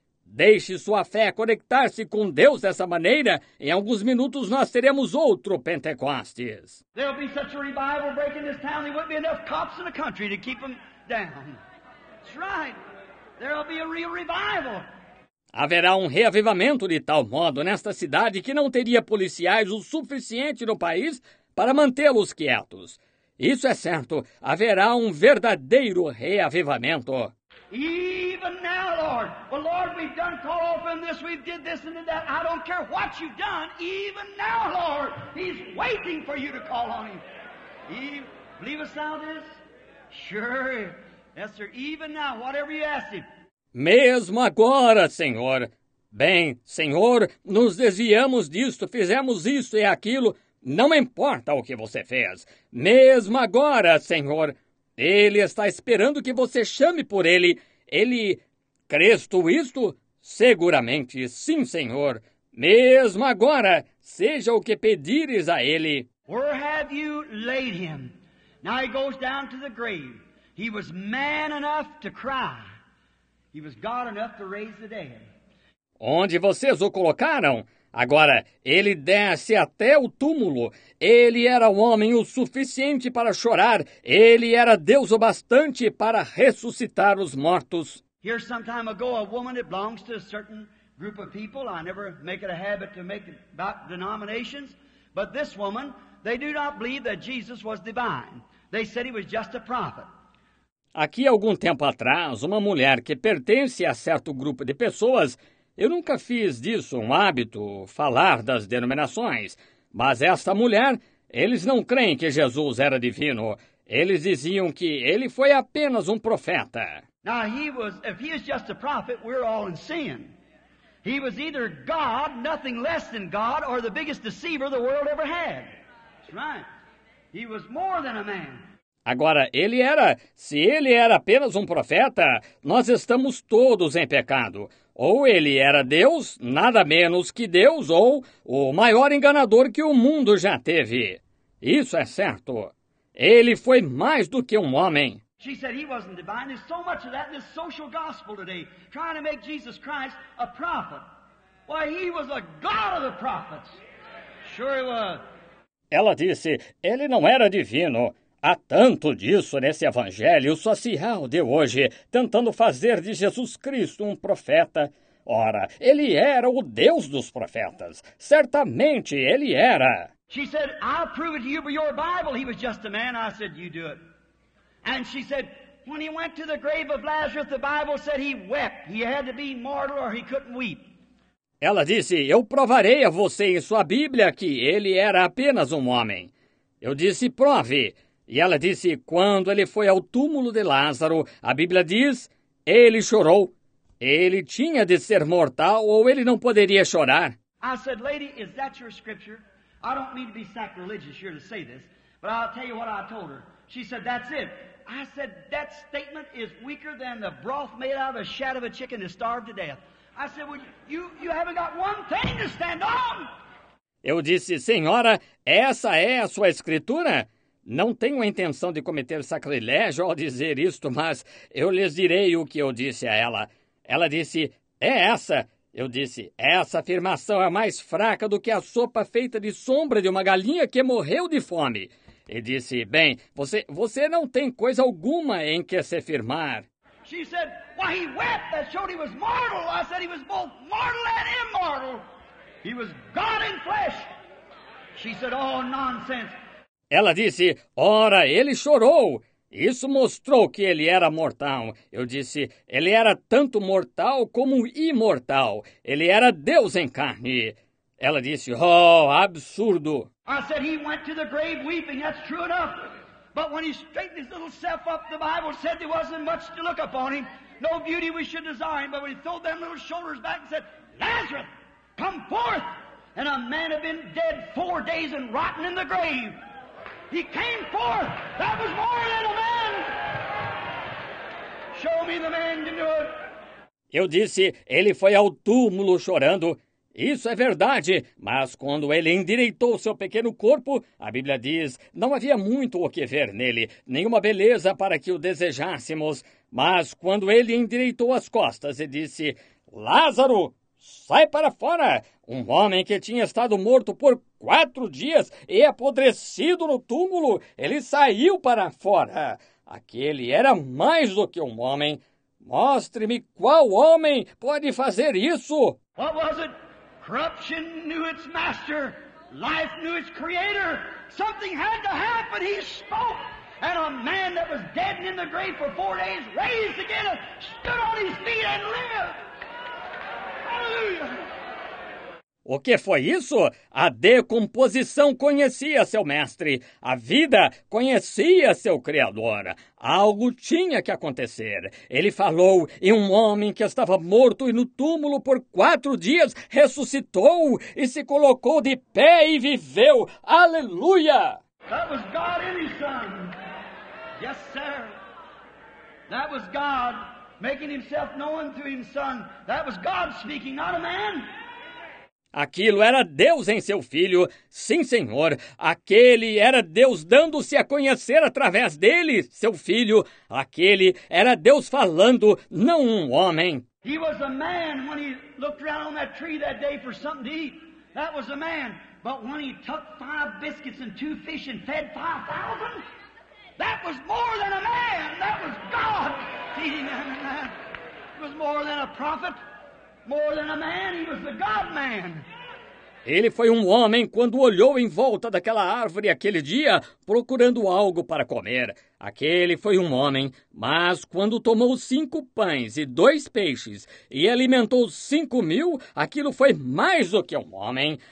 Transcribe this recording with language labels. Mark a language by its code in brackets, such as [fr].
[pt] Deixe sua fé conectar-se com Deus dessa maneira. Em alguns minutos nós teremos outro Pentecostes. [en] There'll be such a revival breaking this town, there wouldn't be enough cops in the country to keep them down. That's right. There'll be a real revival. [pt] Haverá um reavivamento de tal modo nesta cidade que não teria policiais o suficiente no país para mantê-los quietos. Isso é certo. Haverá um verdadeiro reavivamento. [en] Even now, Lord. Well, Lord, we've done call off in this, we've did this and did that. I don't care what you've done. Even now, Lord, he's waiting for you to call on him. Believe us now this? Sure. Yes, sir. Even now, whatever you ask him. [pt] Mesmo agora, Senhor. Bem, Senhor, nos desviamos disto, fizemos isso e aquilo. Não importa o que você fez. Mesmo agora, Senhor. Ele está esperando que você chame por ele. Ele... Crês tu isto? Seguramente, sim, Senhor. Mesmo agora, seja o que pedires a ele. [en] Where have you laid him? Now he goes down to the grave. He was man enough to cry. He was God enough to raise the dead. [pt] Onde vocês o colocaram? Agora, ele desce até o túmulo. Ele era um homem o suficiente para chorar. Ele era Deus o bastante para ressuscitar os mortos. [en] Here some time ago, a woman that belongs to a certain group of people, I never make it a habit to make it about denominations, but this woman, they do not believe that Jesus was divine. They said he was just a prophet. [pt] Aqui, algum tempo atrás, uma mulher que pertence a certo grupo de pessoas, eu nunca fiz disso um hábito, falar das denominações, mas esta mulher, eles não creem que Jesus era divino. Eles diziam que ele foi apenas um profeta. [en] Now, if he is just a prophet, we're all in sin. He was either God, nothing less than God, or the biggest deceiver the world ever had. That's right. He was more than a man. [pt] Agora, se ele era apenas profeta, nós estamos todos em pecado. Ou ele era Deus, nada menos que Deus, ou o maior enganador que o mundo já teve. Isso é certo. Ele foi mais do que homem. [en] She said he wasn't divine. There's so much of that in this social gospel today, trying to make Jesus Christ a prophet. Why, he was a God of the prophets. Sure he was. [pt] Ela disse, ele não era divino. Há tanto disso nesse evangelho social de hoje, tentando fazer de Jesus Cristo profeta. Ora, ele era o Deus dos profetas. Certamente ele era. [en] She said, I'll prove it to you by your Bible. He was just a man. I said, you do it. And she said, when he went to the grave of Lazarus, the Bible said he wept. He had to be mortal or he couldn't weep. [pt] Ela disse, eu provarei a você em sua Bíblia que ele era apenas homem. Eu disse, prove. E ela disse, quando ele foi ao túmulo de Lázaro, a Bíblia diz, ele chorou. Ele tinha de ser mortal ou ele não poderia chorar. [en] I said, lady, is that your scripture? I don't mean to be sacrilegious here to say this, but I'll tell you what I told her. She said, that's it. I said, that statement is weaker than the broth made out of the shad of a chicken that starved to death. I said, well, you haven't got one thing to stand on. [pt] Eu disse, senhora, essa é a sua escritura? Não tenho a intenção de cometer sacrilégio ao dizer isto, mas eu lhes direi o que eu disse a ela. Ela disse, é essa. Eu disse, essa afirmação é mais fraca do que a sopa feita de sombra de uma galinha que morreu de fome. E disse, bem, você não tem coisa alguma em que se firmar. [en] She said, why he wept, that showed he was mortal. I said he was both mortal and immortal. He was God in flesh. She said, oh, nonsense. [pt] Ela disse, ora, ele chorou. Isso mostrou que ele era mortal. Eu disse, ele era tanto mortal como imortal. Ele era Deus em carne. Ela disse, oh, absurdo. [en] I said he went to the grave weeping, that's true enough. But when he straightened his little self up, the Bible said there wasn't much to look upon him. No beauty we should desire him. But when he threw them little shoulders back and said, Lazarus, come forth. And a man had been dead 4 days and rotten in the grave. He came forth. That was more than a man. Show me the man can do it. [pt] Eu disse, ele foi ao túmulo chorando. Isso é verdade, mas quando ele endireitou seu pequeno corpo, a Bíblia diz, não havia muito o que ver nele, nenhuma beleza para que o desejássemos. Mas quando ele endireitou as costas e disse, Lázaro, sai para fora! Um homem que tinha estado morto por 4 dias e apodrecido no túmulo, ele saiu para fora. Aquele era mais do que homem. Mostre-me qual homem pode fazer isso. [en] What was it? Corruption knew its master. Life knew its creator. Something had to happen. He spoke. And a man that was dead and in the grave for 4 days, raised again, stood on his feet and lived. Hallelujah. [pt] O que foi isso? A decomposição conhecia seu mestre. A vida conhecia seu criador. Algo tinha que acontecer. Ele falou e homem que estava morto e no túmulo por 4 dias ressuscitou e se colocou de pé e viveu. Aleluia! [en] That was God in his son. Yes, sir. That was God making himself known to his son. That was God speaking, not a man. [pt] Aquilo era Deus em seu filho. Sim, senhor. Aquele era Deus dando-se a conhecer através dele, seu filho. Aquele era Deus falando, não homem. [en] He was a man when he looked around on that tree that day for something to eat. That was a man. But when he took 5 biscuits and 2 fish and fed 5,000, that was more than a man. That was God feeding that man. It was more than a prophet. More than a man, he was the God man. [pt] Ele foi homem quando olhou em volta daquela árvore aquele dia, procurando algo para comer. Aquele foi homem, mas quando tomou 5 pães e 2 peixes e alimentou 5,000, aquilo foi mais do que homem.